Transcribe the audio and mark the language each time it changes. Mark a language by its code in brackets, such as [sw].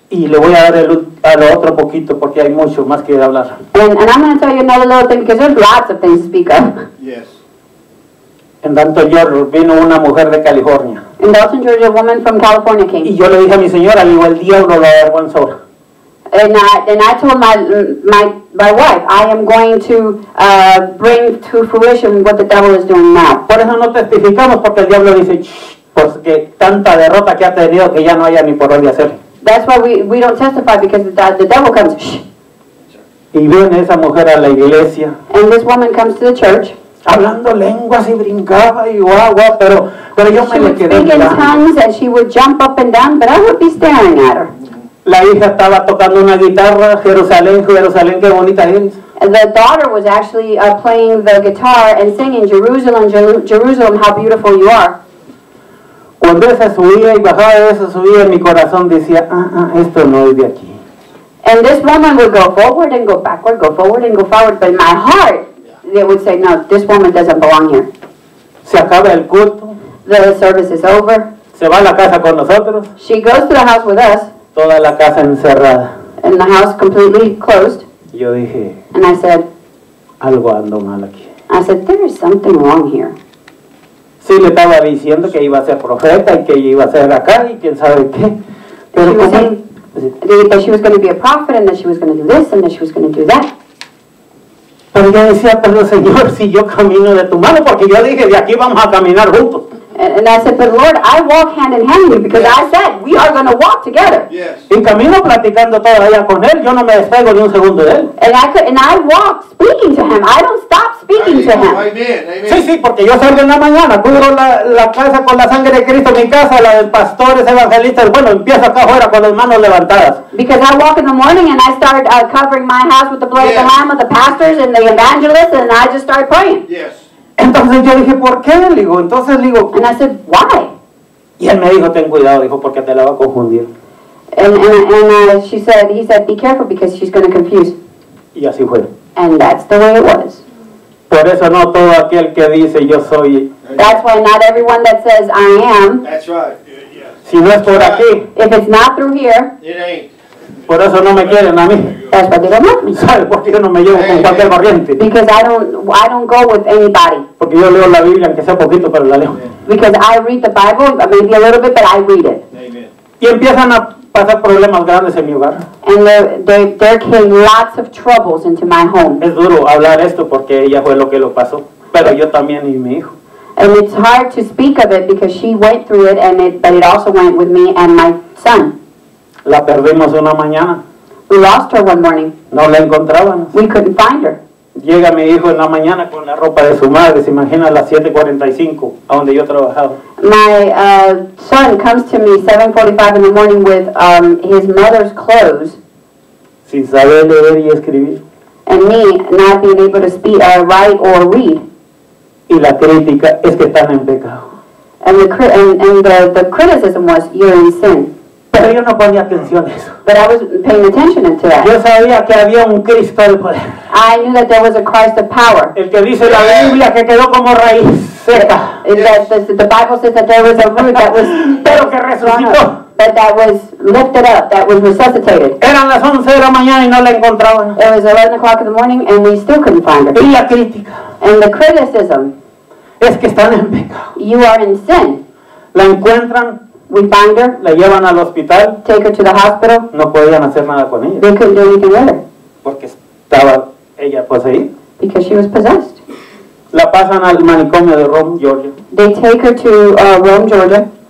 [es] Y le voy a dar a lo otro poquito porque hay mucho más que hablar. [en] And I'm going to tell you another little thing because there's lots of things to speak of. Yes. [es] En Dalton, Georgia, vino una mujer de California. [en] In Dalton, Georgia, a woman from California came. [es] Y yo le dije a mi señora, digo, el diablo la avergüenzó. [en] And I told my wife, I am going to bring to fruition what the devil is doing now. [es] Por eso no testificamos, porque el diablo dice, porque tanta derrota que ha tenido que ya no haya ni por dónde hacer. [en] That's why we don't testify, because the devil comes, shh. [es] Y viene esa mujer a la iglesia. [en] And this woman comes to the church. [es] Hablando lenguas y brincaba y guagua, pero yo me quedé mirando. [en] She would speak in tongues and she would jump up and down, but I would be staring at her. [es] La hija estaba tocando una guitarra, Jerusalén, Jerusalén, qué bonita es. [en] The daughter was actually playing the guitar and singing, Jerusalem, Jerusalem, how beautiful you are. [es] Cuando esa subía y bajaba, esa subía, mi corazón decía, ah, esto no es de aquí. [en] And this woman would go forward and go backward, go forward and go forward, but in my heart, they would say, no, this woman doesn't belong here. [es] Se acaba el culto. [en] The service is over. [es] Se va a la casa con nosotros. [en] She goes to the house with us. [es] Toda la casa encerrada. [en] And the house completely closed. [es] Yo dije. [en] And I said. [es] Algo ando mal aquí. [en] I said, there is something wrong here. [es] Sí, le estaba diciendo que iba a ser profeta y que iba a ser acá y quién sabe qué. Pero [en] she was saying that she was going to be a prophet and that she was going to do this and that she was going to do that. [es] Pero yo decía, pero Señor, si yo camino de tu mano, porque yo dije, de aquí vamos a caminar juntos. [en] And I said, but Lord, I walk hand in hand with you because yes. I said, we are going to walk together. Yes. [es] En camino platicando todavía con él, yo no me despego ni un segundo de él. [en] And I walk speaking to him. I don't stop speaking to him. Amen, amen. [es] Sí, porque yo salgo en la mañana, cubro la casa con la sangre de Cristo, mi casa, la del pastor, es evangelista, bueno, empiezo acá afuera con las manos levantadas. [en] Because I walk in the morning and I start covering my house with the blood of the Lamb of the pastors and the evangelists and I just start praying. Yes. [es] Entonces yo dije, ¿por qué? Le digo, entonces le digo, [en] and I said, why? [es] Y él me dijo, ten cuidado, dijo, porque te la va a confundir. [en] And he said, be careful because she's going to confuse. [es] Y así fue. [en] And that's the way it was. [es] Por eso no todo aquel que dice yo soy. [en] That's why not everyone that says I am. That's right. Yeah, yeah. [es] Si no es por right. Aquí. [en] If it's not through here. It ain't. [es] Por eso no me quieren a mí. [en] That's why they don't want me. [es] ¿Sabes por qué yo no me llevo con cualquier corriente? [en] Because I don't go with anybody. [es] Porque yo leo la Biblia, aunque sea poquito, pero la leo. [en] Because I read the Bible, maybe a little bit, but I read it. Amen. [es] Y empiezan a pasar problemas grandes en mi hogar. [en] And there came lots of troubles into my home. [es] Es duro hablar esto porque ella fue lo que lo pasó, pero yo también y mi hijo. [en] And it's hard to speak of it because she went through it, but it also went with me and my son. [es] La perdimos una mañana. [en] We lost her one morning. [es] No la encontrábamos. [en] We couldn't find her. [es] Llega mi hijo en la mañana con la ropa de su madre. Se imagina a las 7:45 a donde yo trabajaba. [en] My son comes to me 7:45 in the morning with his mother's clothes. [es] Sin saber leer y escribir. [en] And me not being able to speak or write or read. [es] Y la crítica es que están en pecado. [en] And the criticism was you're in sin. [es] Pero yo no ponía atención a eso. [en] But I was paying attention to that. [es] Yo sabía que había un Cristo del poder. [en] I knew that there was a Christ of power. [es] El que dice la Biblia que quedó como raíz seca. [en] The Bible says that there was a root that was [es] pero que resucitó. [en] But that was lifted up, that was resuscitated. [es] Eran las 11 de la mañana y no la encontraban. [en] It was 11 o'clock in the morning and we still couldn't find her. [es] Y la crítica. [en] And the criticism. [es] Es que están en pecado. [en] You are in sin. [es] La encuentran. [en] We find her. [es] La llevan al hospital. [en] Take her to the hospital. [es] No podían hacer nada con ella. [en] They couldn't do anything with her. [es] Porque estaba ella poseída. [en] Because she was possessed. [es] La pasan al manicomio de Rome, Georgia. [en] They take her to Rome, Georgia.